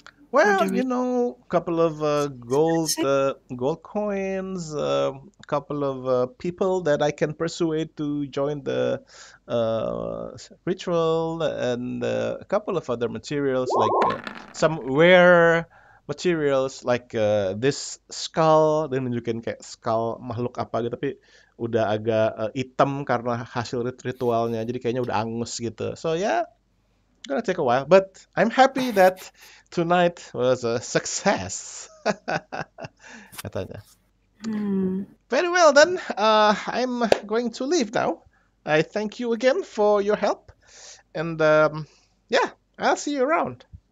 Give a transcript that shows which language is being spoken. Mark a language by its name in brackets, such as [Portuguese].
[English] Well, you know, a couple of gold coins, a couple of people that I can persuade to join the ritual, and a couple of other materials, like some rare materials, like this skull. [Indonesian] Dia nunjukin kayak skull makhluk apa gitu, tapi udah agak hitam karena hasil ritualnya, jadi kayaknya udah angus gitu. [English] So, yeah. Gonna take a while, but I'm happy that tonight was a success. [Indonesian] Katanya. [English] Very well then. I'm going to leave now. I thank you again for your help, and yeah, I'll see you around.